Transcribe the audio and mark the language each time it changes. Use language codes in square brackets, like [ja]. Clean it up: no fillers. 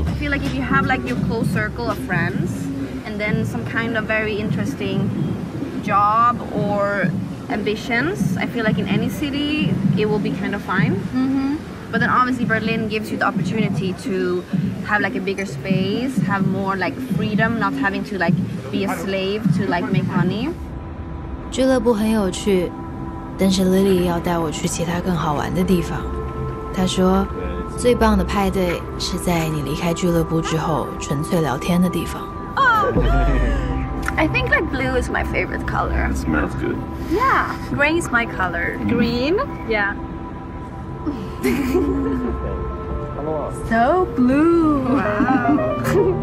[en] I feel like if you have like your close circle of friends and then some kind of very interesting job or ambitions, I feel like in any city it will be kind of fine. Mm-hmm. But then obviously Berlin gives you the opportunity to have like a bigger space, have more like freedom, not having to like be a slave to like make money. [zh] 俱乐部很有趣但是 Lily 要带我去其他更好玩的地方。她说，最棒的派对是在你离开俱乐部之后纯粹聊天的地方。 [en] I think like blue is my favorite color. It smells good. Yeah, green is my color. Green? Yeah. So blue. Wow.